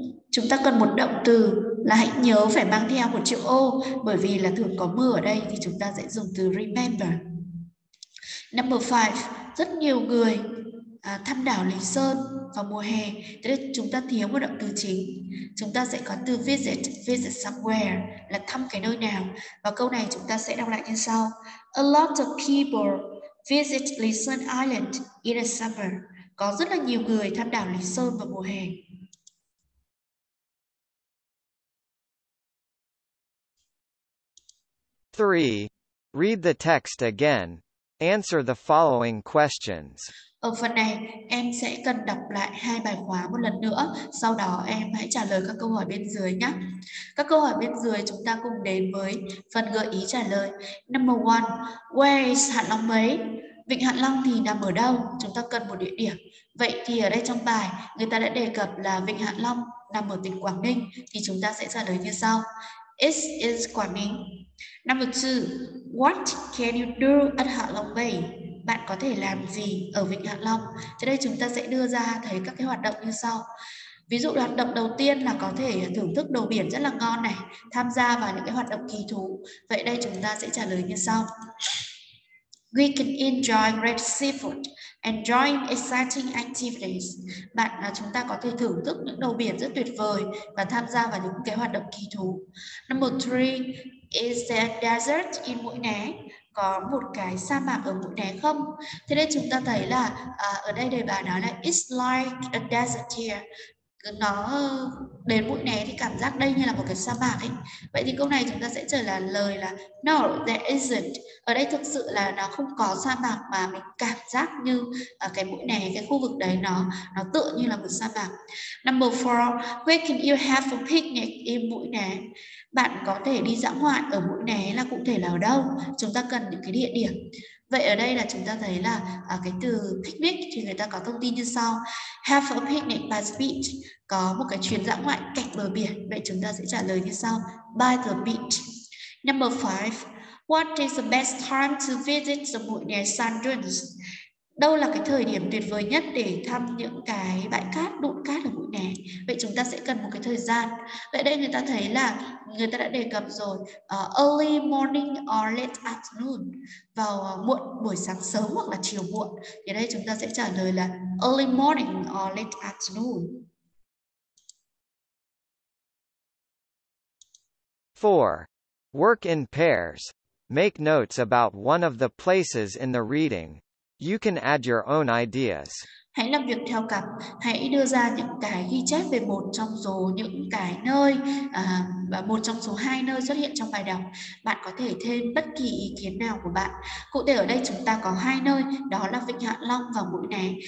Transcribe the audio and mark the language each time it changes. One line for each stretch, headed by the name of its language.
Vietnamese: Chúng ta cần một động từ là hãy nhớ phải mang theo một chữ ô, bởi vì là thường có mưa ở đây thì chúng ta sẽ dùng từ remember.
English: Number five,
Vietnamese: rất nhiều người thăm đảo Lý Sơn vào mùa hè, thế nên chúng ta thiếu một động từ chính. Chúng ta sẽ có từ
English: visit somewhere
Vietnamese: là thăm cái nơi nào. Và câu này chúng ta sẽ đọc lại như sau.
English: A lot of people visit Lý Sơn Island in the summer.
Vietnamese: Có rất là nhiều người thăm đảo Lý Sơn vào mùa hè.
English: Three. Read the text again. Answer the following questions.
Vietnamese: Ở phần này em sẽ cần đọc lại hai bài khóa một lần nữa, sau đó em hãy trả lời các câu hỏi bên dưới nhé. Các câu hỏi bên dưới chúng ta cùng đến với phần gợi ý trả lời.
English: Number one, where is Hạ Long Bay?
Vietnamese: Vịnh Hạ Long thì nằm ở đâu? Chúng ta cần một địa điểm. Vậy thì ở đây trong bài người ta đã đề cập là Vịnh Hạ Long nằm ở tỉnh Quảng Ninh, thì chúng ta sẽ trả lời như sau.
English: It is Quảng Ninh. Number two, what can you do at Hạ Long Bay?
Vietnamese: Bạn có thể làm gì ở Vịnh Hạ Long? Thế đây chúng ta sẽ đưa ra thấy các cái hoạt động như sau. Ví dụ hoạt động đầu tiên là có thể thưởng thức đồ biển rất là ngon này, tham gia vào những cái hoạt động kỳ thú. Vậy đây chúng ta sẽ trả lời như sau.
English: We can enjoy great seafood and join exciting activities.
Vietnamese: Bạn là chúng ta có thể thưởng thức những đồ biển rất tuyệt vời và tham gia vào những cái hoạt động kỳ thú.
English: Number three, is there a desert in Mũi Né?
Vietnamese: Có một cái sa mạc ở Mũi Né không? Thế nên chúng ta thấy là ở đây đề bài nói là
English: it's like a desert here.
Vietnamese: Nó đến Mũi Né thì cảm giác đây như là một cái sa mạc ấy. Vậy thì câu này chúng ta sẽ trở lại lời là
English: no, there isn't.
Vietnamese: Ở đây thực sự là nó không có sa mạc mà mình cảm giác như cái Mũi Né, cái khu vực đấy nó tựa như là một sa mạc.
English: Number four, where can you have a picnic in Mũi Né?
Vietnamese: Bạn có thể đi dã ngoại ở Mũi Né là cụ thể là ở đâu? Chúng ta cần những cái địa điểm. Vậy ở đây là chúng ta thấy là cái từ picnic thì người ta có thông tin như sau.
English: Have a picnic by the beach.
Vietnamese: Có một cái chuyến dã ngoại cạnh bờ biển. Vậy chúng ta sẽ trả lời như sau.
English: By the beach. Number 5. What is the best time to visit the Mũi Né sand dunes?
Vietnamese: Đâu là cái thời điểm tuyệt vời nhất để thăm những cái bãi cát, đụn cát ở Mũi Né? Vậy chúng ta sẽ cần một cái thời gian. Vậy đây người ta thấy là người ta đã đề cập rồi.
English: Early morning or late afternoon.
Vietnamese: Vào muộn, buổi sáng sớm hoặc là chiều muộn. Thì đây chúng ta sẽ trả lời là
English: early morning or late afternoon. 4. Work in pairs. Make notes about one of the places in the reading. You can add your own ideas.
Vietnamese: Hãy làm việc theo cặp, hãy đưa ra những cái ghi chép về một trong số những cái nơi và một trong số hai nơi xuất hiện trong bài đọc. Bạn có thể thêm bất kỳ ý kiến nào của bạn. Cụ thể ở đây chúng ta có hai nơi, đó là Vịnh Hạ Long và Mũi Né.